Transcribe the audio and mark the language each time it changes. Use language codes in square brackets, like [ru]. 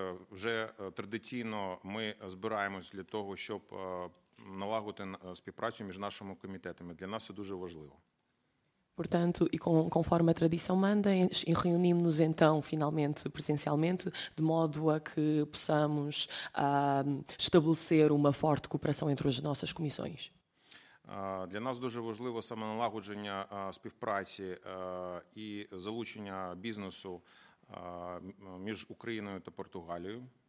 [uk] Вже традиційно ми збираємось для того, щоб налагодити співпрацю між нашими комітетами. Для нас це дуже важливо. [pt] Portanto, e conforme a tradição manda, reunimos-nos então finalmente presencialmente, de modo a que possamos estabelecer uma forte cooperação entre as nossas comissões. [uk] Для нас дуже важливо саме налагодження співпраці і залучення бізнесу між Україною та Португалією.